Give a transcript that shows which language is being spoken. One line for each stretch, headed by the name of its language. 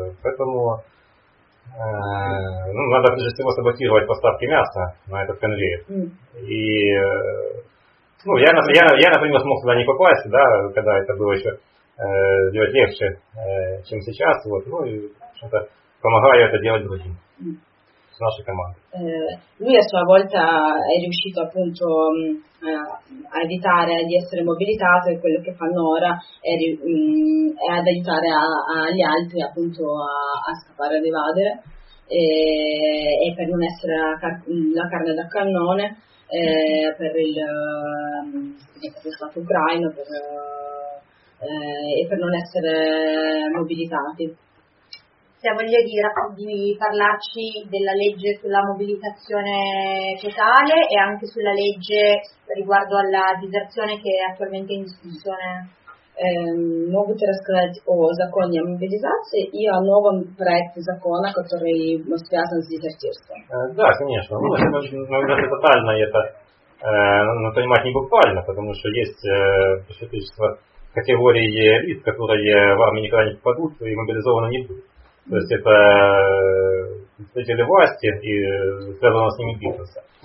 Russian: Поэтому ну, надо, прежде всего, саботировать поставки мяса на этот конвейер. И ну, я, например, смог туда не попасть, да, когда это было еще делать легче, чем сейчас. Вот. Ну, и, что-то, помогаю это делать другим, с нашей командой.
Italian: Lui a sua volta è riuscito appunto a evitare di essere mobilitato e quello che fanno ora è ad aiutare gli altri appunto a scappare, ad evadere. e per non essere la carne da cannone per il stato ucraino e per non essere mobilitati. Se ha voglia di parlarci della legge sulla mobilitazione totale e anche sulla legge riguardo alla diserzione che è attualmente in discussione. Nuovo Teraskrad o Zakonia mobilizacije i o novom projektu zakona koji je связан с дезертирством.
Russian: Да, конечно. Ну, это тотально, это понимать не буквально, потому что есть существо категории элит, которые в армии никогда не попадут и мобилизованы не будут. То есть это представители власти и связано с ними бизнеса.